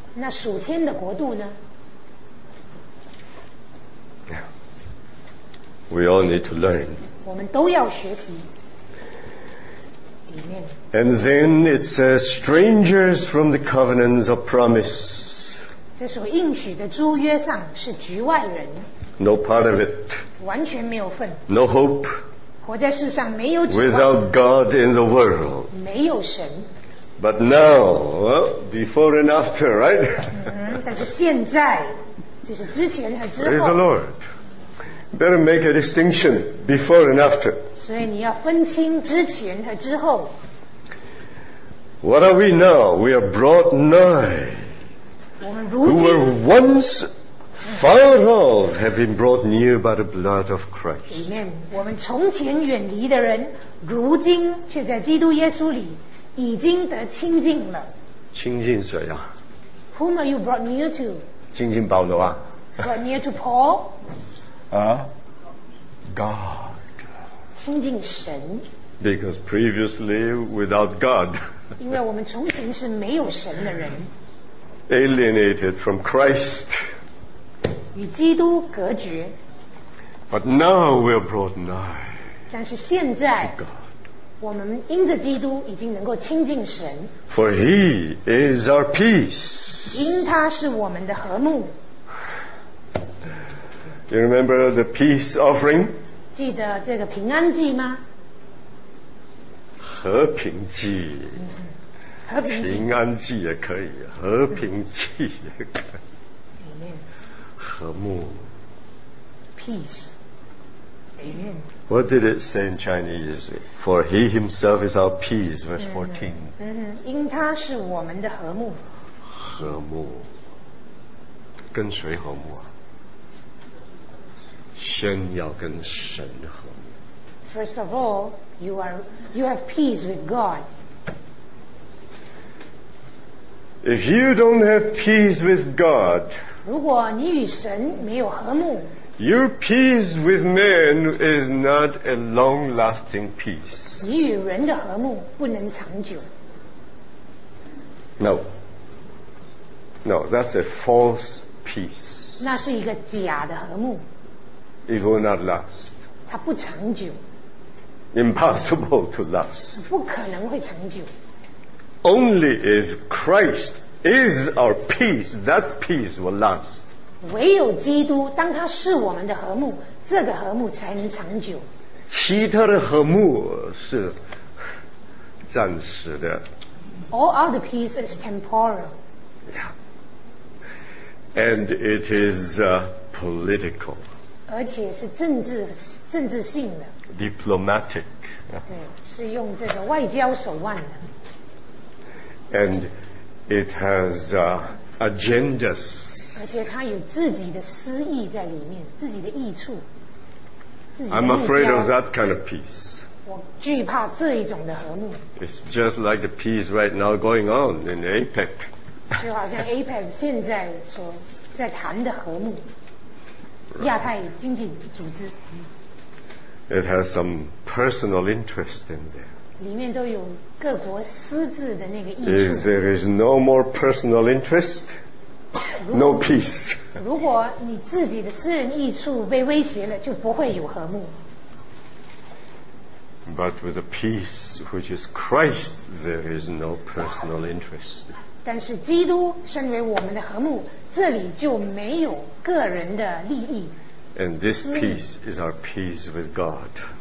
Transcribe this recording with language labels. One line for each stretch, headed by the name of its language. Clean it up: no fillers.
Chinese: 那属天的国度呢？
English: Yeah. We all need to learn.
Chinese: 我们都要学习。
English: And then it says, strangers from the covenants of promise.
Chinese: 这所应许的租约上是局外人。
English: No part of it.
Chinese: 完全没有份。
English: No hope.
Chinese: 活在世上没有指望。
English: Without God in the world.
Chinese: 没有神。
English: But now, well, before and after, right?
Chinese: 但是现在，就是之前和之后。
English: Praise the Lord. Better make a distinction before and after.
Chinese: 所以你要分清之前和之后。
English: What are we now? We are brought nigh.
Chinese: 我们如今。
English: Who were once far off have been brought near by the blood of Christ. Amen.
Chinese: 我们从前远离的人，如今却在基督耶稣里已经得亲近了。亲近谁啊？
English: Whom are you brought near to?
Chinese: 亲近保罗啊。
English: Brought near to Paul? God.
Chinese: 亲近神。
English: Because previously without God.
Chinese: 因为我们从前是没有神的人。
English: Alienated from Christ.
Chinese: 与基督隔绝。
English: But now we are brought nigh.
Chinese: 但是现在。
English: To God.
Chinese: 我们因着基督已经能够亲近神。
English: For he is our peace.
Chinese: 因他是我们的和睦。
English: You remember the peace offering?
Chinese: 记得这个平安祭吗？和平祭。和平祭。平安祭也可以，和平祭也可以。
English: Amen.
Chinese: 和睦。
English: Peace. What did it say in Chinese? For he himself is our peace, verse 14.
Chinese: 因他是我们的和睦。和睦。跟谁和睦啊？先要跟神和睦。
English: First of all, you have peace with God. If you don't have peace with God,
Chinese: 如果你与神没有和睦，
English: Your peace with man is not a long-lasting peace.
Chinese: 你与人的和睦不能长久。
English: No. No, that's a false peace.
Chinese: 那是一个假的和睦。
English: It will not last.
Chinese: 它不长久。
English: Impossible to last.
Chinese: 不可能会长久。
English: Only if Christ is our peace, that peace will last.
Chinese: 唯有基督，当他是我们的和睦，这个和睦才能长久。其他的和睦是暂时的。
English: All other peace is temporal. Yeah. And it is political.
Chinese: 而且是政治性的。
English: Diplomatic.
Chinese: 对，是用这个外交手腕的。
English: And it has agendas.
Chinese: 而且他有自己的私意在里面，自己的益处，自己。
English: I'm afraid of that kind of peace.
Chinese: 我惧怕这一种的和睦。
English: It's just like the peace right now going on in APEC.
Chinese: 就好像 APEC 现在所在谈的和睦，亚太经济组织。
English: It has some personal interest in there.
Chinese: 里面都有各国私自的那个益处。
English: If there is no more personal interest. No peace.
Chinese: 如果你自己的私人益处被威胁了，就不会有和睦。
English: But with the peace which is Christ, there is no personal interest.
Chinese: 但是基督身为我们的和睦，这里就没有个人的利益。
English: And this peace is our peace with God.